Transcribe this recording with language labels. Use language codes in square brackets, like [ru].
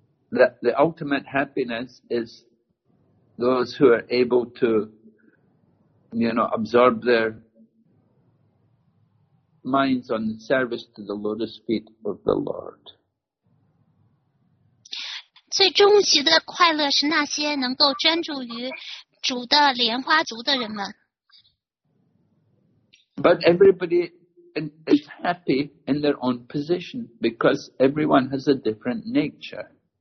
[en] the ultimate happiness is those who are able to, you know, absorb their minds on the service to the lotus feet of the Lord. [zh] 最终极的快乐是那些能够专注于主的莲花族的人们。 [en] But everybody is happy in their own position because everyone has a different nature.